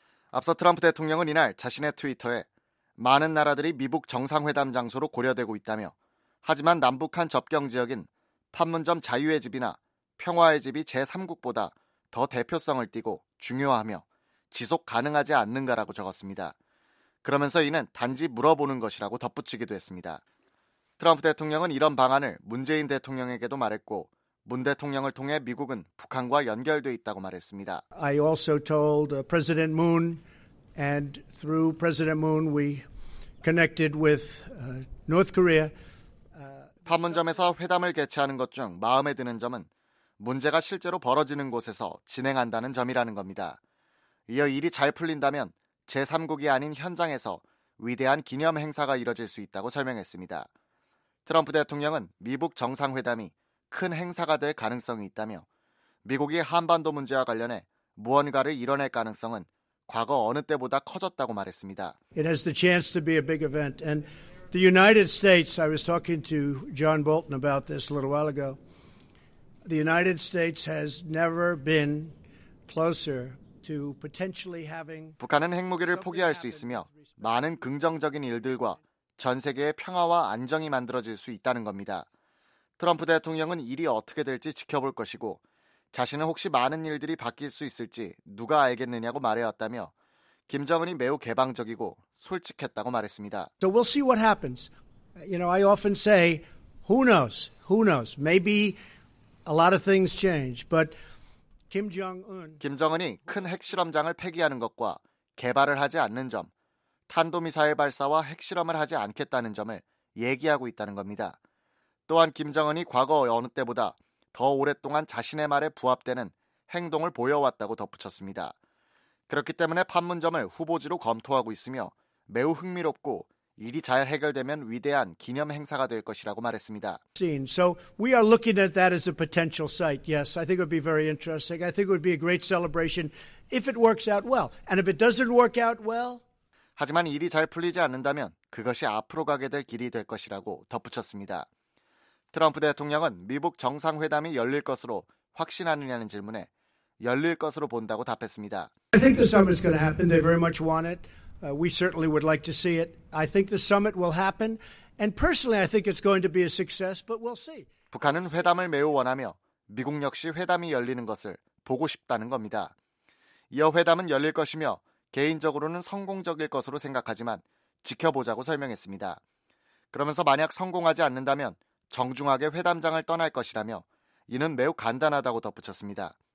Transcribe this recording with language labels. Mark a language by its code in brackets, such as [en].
[ko] 앞서 트럼프 대통령은 이날 자신의 트위터에 많은 나라들이 미북 정상회담 장소로 고려되고 있다며 하지만 남북한 접경지역인 판문점 자유의 집이나 평화의 집이 제3국보다 더 대표성을 띠고 중요하며 지속 가능하지 않는가라고 적었습니다. 그러면서 이는 단지 물어보는 것이라고 덧붙이기도 했습니다. 트럼프 대통령은 이런 방안을 문재인 대통령에게도 말했고 문 대통령을 통해 미국은 북한과 연결돼 있다고 말했습니다. [en] I also told President Moon and through President Moon we connected with North Korea. [ko] 판문점에서 회담을 개최하는 것 중 마음에 드는 점은 문제가 실제로 벌어지는 곳에서 진행한다는 점이라는 겁니다. 이어 일이 잘 풀린다면 제3국이 아닌 현장에서 위대한 기념 행사가 이뤄질 수 있다고 설명했습니다. 트럼프 대통령은 미북 정상회담이 큰 행사가 될 가능성이 있다며 미국이 한반도 문제와 관련해 무언가를 이뤄낼 가능성은 과거 어느 때보다 커졌다고 말했습니다. [en] It has the chance to be a big event. And the United States, I was talking to John Bolton about this a little while ago. The United States has never been closer to potentially having. [ko] 북한은 핵무기를 포기할 수 있으며 많은 긍정적인 일들과 전 세계의 평화와 안정이 만들어질 수 있다는 겁니다. 트럼프 대통령은 일이 어떻게 될지 지켜볼 것이고 자신은 혹시 많은 일들이 바뀔 수 있을지 누가 알겠느냐고 말해왔다며 김정은이 매우 개방적이고 솔직했다고 말했습니다. [en] So we'll see what happens. You know, I often say, who knows? Who knows? Maybe a lot of things change. But Kim Jong-un. [ko] 김정은이 큰 핵실험장을 폐기하는 것과 개발을 하지 않는 점, 탄도미사일 발사와 핵실험을 하지 않겠다는 점을 얘기하고 있다는 겁니다. 또한 김정은이 과거 어느 때보다 더 오랫동안 자신의 말에 부합되는 행동을 보여왔다고 덧붙였습니다. 그렇기 때문에 판문점을 후보지로 검토하고 있으며 매우 흥미롭고 일이 잘 해결되면 위대한 기념 행사가 될 것이라고 말했습니다. [en] So we are looking at that as a potential site. Yes, I think it would be very interesting. I think it would be a great celebration if it works out well. And if it doesn't work out well, [ko] 하지만 일이 잘 풀리지 않는다면 그것이 앞으로 가게 될 길이 될 것이라고 덧붙였습니다. 트럼프 대통령은 미북 정상회담이 열릴 것으로 확신하느냐는 질문에 열릴 것으로 본다고 답했습니다. [en] I think the summit is going to happen. They very much want it. We certainly would like to see it. I think the summit will happen. And personally, I think it's going to be a success, but we'll see. [ko] 북한은 회담을 매우 원하며 미국 역시 회담이 열리는 것을 보고 싶다는 겁니다. 이어 회담은 열릴 것이며 개인적으로는 성공적일 것으로 생각하지만 지켜보자고 설명했습니다. 그러면서 만약 성공하지 않는다면 정중하게 회담장을 떠날 것이라며 이는 매우 간단하다고 덧붙였습니다.